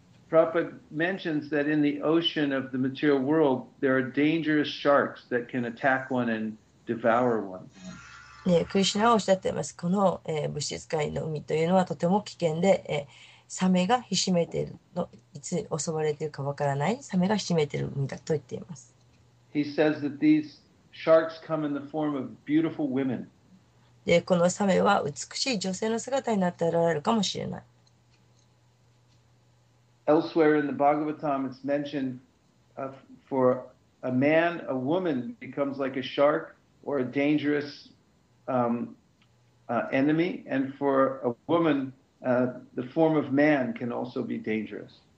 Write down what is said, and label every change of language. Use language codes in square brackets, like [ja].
[en] Prabhupada mentions that in the ocean of the material world, there are dangerous sharks that can attack one and devour one. [ja] ね、クリシュナはおっしゃっています。この、物質界の海というのはとても危険で、サメがひしめているの、いつ襲われているかわからない、サメがひしめている海だと言っています。 [en] He says that these sharks come in the form of beautiful women. [ja] で、このサメは美しい女性の姿になって現れるかもしれない。 [en] Elsewhere in the Bhagavatam, it's mentioned for a man, a woman becomes like a shark or a dangerous enemy, and for a woman, the form of man can also be dangerous.